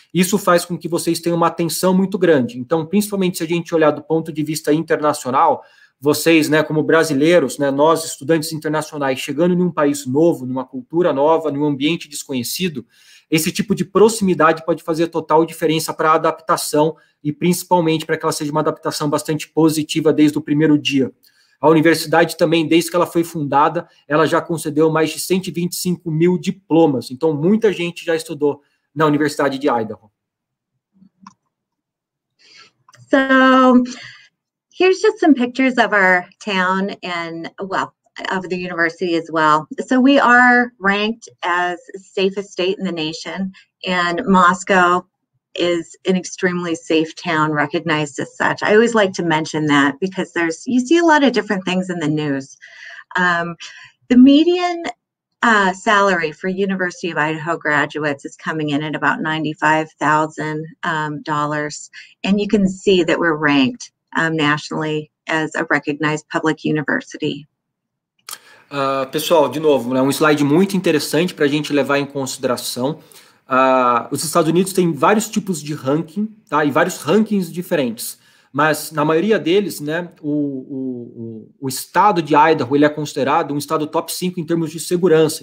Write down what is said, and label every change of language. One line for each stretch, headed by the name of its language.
Portuguese: Isso faz com que vocês tenham uma atenção muito grande. Então, principalmente se a gente olhar do ponto de vista internacional, vocês, né, como brasileiros, né, nós, estudantes internacionais, chegando em um país novo, numa cultura nova, num ambiente desconhecido, esse tipo de proximidade pode fazer total diferença para a adaptação e principalmente para que ela seja uma adaptação bastante positiva desde o primeiro dia. A universidade também, desde que ela foi fundada, ela já concedeu mais de 125 mil diplomas. Então, muita gente já estudou na Universidade de Idaho.
English: So, here's just some pictures of our town and, well, of the university as well. So, we are ranked as safest state in the nation, and Moscow is an extremely safe town, recognized as such. I always like to mention that because there's, you see a lot of different things in the news. The median salary for University of Idaho graduates is coming in at about $95,000. And you can see that we're ranked nationally as a recognized public university.
Portuguese: Pessoal, de novo, né, um slide muito interessante para a gente levar em consideração. Os Estados Unidos têm vários tipos de ranking, tá? E vários rankings diferentes, mas na maioria deles, né, o estado de Idaho, ele é considerado um estado top 5 em termos de segurança.